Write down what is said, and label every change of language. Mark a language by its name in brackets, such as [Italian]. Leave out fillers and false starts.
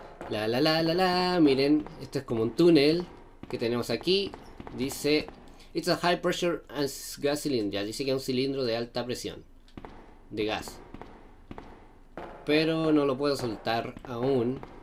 [Spanish] La, miren, esto es como un túnel que tenemos aquí. Dice. [English] It's a high pressure and gas cylinder. [Spanish] Ya dice que es un cilindro de alta presión. De gas. Pero no lo puedo soltar aún.